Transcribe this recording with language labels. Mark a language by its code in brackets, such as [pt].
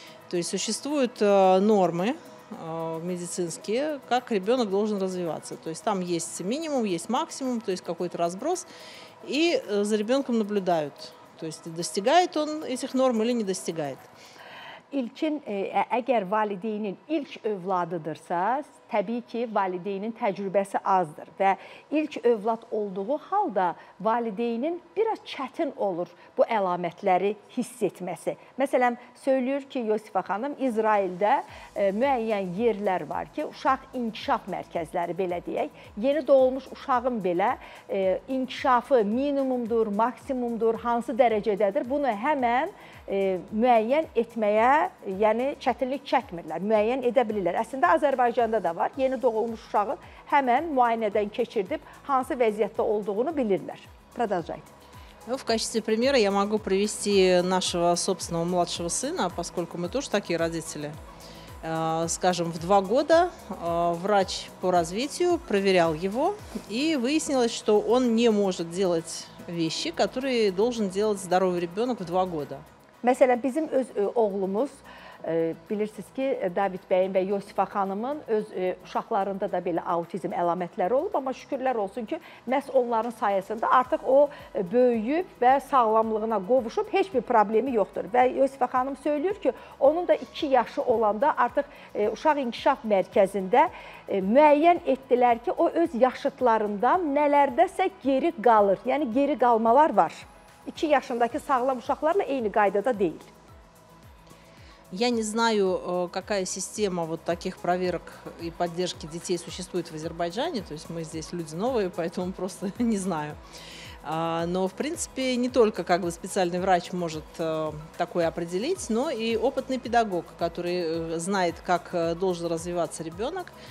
[ru] То есть существуют нормы медицинские, как ребенок должен развиваться. То есть там есть минимум, есть максимум, то есть какой-то разброс. И за ребенком наблюдают, то есть достигает он этих норм или не достигает. [az] Ilkin, əgər valideynin ilk övladıdırsa, Təbii ki, valideynin təcrübəsi azdır və ilk övlad olduğu halda valideynin biraz çətin olur bu əlamətləri hiss etməsi. Məsələn, söylüyor ki, Yosifa xanım, İsraildə müəyyən yerlər var ki, uşaq inkişaf mərkəzləri belə deyək, yeni doğulmuş uşağın belə inkişafı minimumdur, maksimumdur, hansı dərəcədədir, bunu həmən müəyyən etməyə, yəni çətinlik çəkmirlər, müəyyən edə bilirlər. Əslində, Azərbaycanda da var, yeni doğulmuş uşağı həmən müayinədən keçirdib, hansı vəziyyətdə olduğunu bilirlər. [ru] Продолжайте. В качестве примера я могу привести нашего собственного младшего сына, поскольку мы тоже такие родители. Скажем, в 2 года врач по развитию проверял его, и выяснилось, что он не может делать вещи, которые должен делать здоровый ребенок в 2 года. [az] Məsələn, bizim öz oğlumuz, bilirsiniz ki, David bəyin və Yosifa xanımın öz uşaqlarında da belə autizm əlamətləri olub, amma şükürlər olsun ki, məhz onların sayəsində artıq o böyüyüb və sağlamlığına qovuşub, heç bir problemi yoxdur. Və Yosifa xanım söylüyor ki, onun da 2 yaşı olanda artıq uşaq inkişaf mərkəzində müəyyən etdilər ki, o öz yaşıtlarından nələrdəsə geri qalır, yəni geri qalmalar var. 2 yaşındakı sağlam uşaqlarla eyni qaydada deyil. [ru] Я не знаю, какая система вот таких проверок и поддержки детей существует в Азербайджане. То есть мы здесь люди новые, поэтому просто не знаю. Но, в принципе, не только как бы специальный врач может такое определить, но и опытный педагог, который знает, как должен развиваться ребенок.